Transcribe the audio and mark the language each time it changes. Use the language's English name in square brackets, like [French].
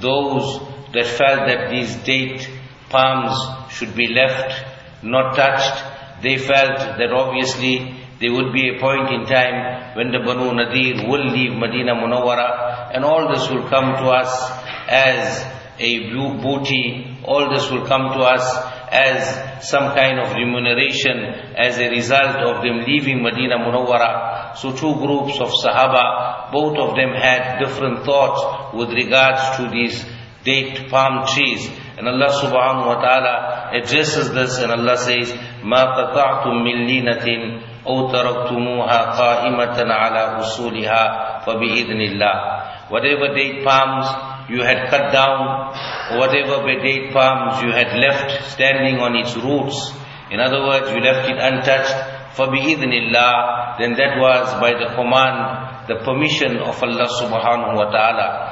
[English] Those that felt that these date palms should be left, not touched, they felt that obviously there would be a point in time when the Banu Nadir will leave Madina Munawwara, and all this will come to us as a booty, all this will come to us as some kind of remuneration as a result of them leaving Madina Munawwara. So two groups of Sahaba, both of them had different thoughts with regards to these date palm trees. And Allah subhanahu wa ta'ala addresses this, and Allah says, [Arabic] مَا قَطَعْتُم مِّن لِينَةٍ أَوْ تَرَكْتُمُوهَا قَائِمَةً عَلَىٰ أُصُولِهَا فَبِإِذْنِ اللَّهِ. [English] Whatever date palms you had cut down, whatever date palms you had left standing on its roots, in other words, you left it untouched, [Arabic] فَبِإِذْنِ اللَّهِ, [English] then that was by the command, the permission of Allah subhanahu wa ta'ala.